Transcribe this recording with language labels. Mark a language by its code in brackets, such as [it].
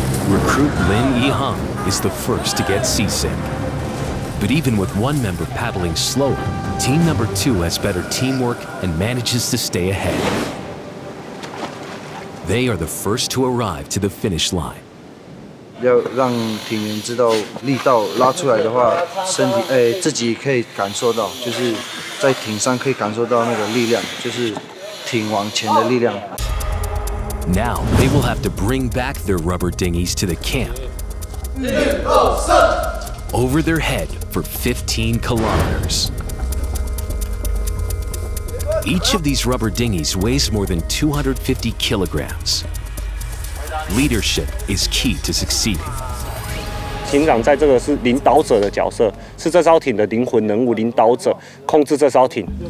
[en] Recruit Lin Yihang is the first to get seasick. But even with one member paddling slower, team number two has better teamwork and manages to stay ahead. They are the first to arrive to the finish line. [zh] 要让艇员知道力道拉出来的话，身体自己可以感受到，就是在艇上可以感受到那个力量，就是艇往前的力量。 [en] Now they will have to bring back their rubber dinghies to the camp. Over their head for 15 kilometers. Each of these rubber dinghies weighs more than 250 kilograms. Leadership is key to succeeding. [zh] 艇长在这个是领导者的角色，是这艘艇的灵魂人物，领导者控制这艘艇。